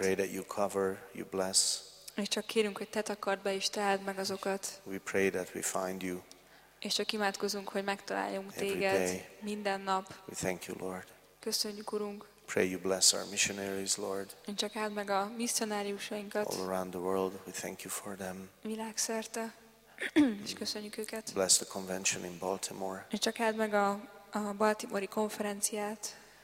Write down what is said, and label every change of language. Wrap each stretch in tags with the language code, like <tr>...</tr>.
<en>We pray that you cover, you bless.</en> <hu>És csak kérünk, hogy te takard be és te áld meg azokat.</hu> <en>We pray that we find you.</en> <hu>És csak imádkozunk, hogy megtaláljunk téged minden nap.</hu> <en>We thank you, Lord.</en> <hu>Köszönjük, Urunk.</hu> <en>Pray you bless our missionaries, Lord.</en> <hu>Én csak áld meg a misszionáriusainkat.</hu> <en>All around the world, we thank you for them.</en> <hu>Világszerte. És köszönjük őket.</hu> <en>Bless the convention in Baltimore.</en> <hu>Én csak áld meg a baltimori konferenciát.</hu>